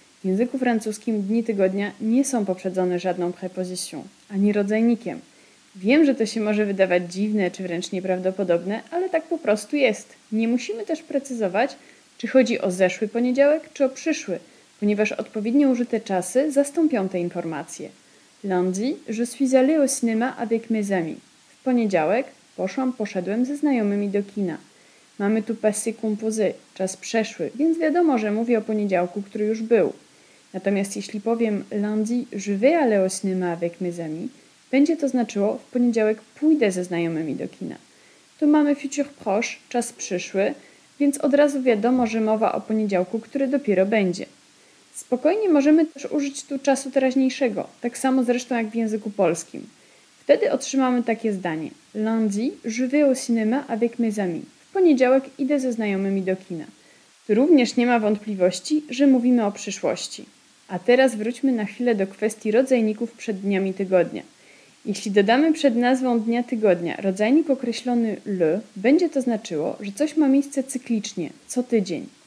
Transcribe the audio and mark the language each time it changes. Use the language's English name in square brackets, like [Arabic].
[Polish] W języku francuskim dni tygodnia nie są poprzedzone żadną préposition, ani rodzajnikiem. Wiem, że to się może wydawać dziwne czy wręcz nieprawdopodobne, ale tak po prostu jest. Nie musimy też precyzować, czy chodzi o zeszły poniedziałek, czy o przyszły, ponieważ odpowiednio użyte czasy zastąpią te informacje. [French] Lundi, je suis allé au cinéma avec mes amis. [Polish] W poniedziałek poszedłem ze znajomymi do kina. Mamy tu passé composé, czas przeszły, więc wiadomo, że mówię o poniedziałku, który już był. Natomiast jeśli powiem [French] lundi, je vais aller au cinéma avec mes amis, [Polish] będzie to znaczyło, w poniedziałek pójdę ze znajomymi do kina. Tu mamy futur proche, czas przyszły, więc od razu wiadomo, że mowa o poniedziałku, który dopiero będzie. Spokojnie możemy też użyć tu czasu teraźniejszego, tak samo zresztą jak w języku polskim. Wtedy otrzymamy takie zdanie. [French] Lundi, je vais au cinéma avec mes amis. [Polish] W poniedziałek idę ze znajomymi do kina. Tu również nie ma wątpliwości, że mówimy o przyszłości. A teraz wróćmy na chwilę do kwestii rodzajników przed dniami tygodnia. Jeśli dodamy przed nazwą dnia tygodnia rodzajnik określony le, będzie to znaczyło, że coś ma miejsce cyklicznie, co tydzień.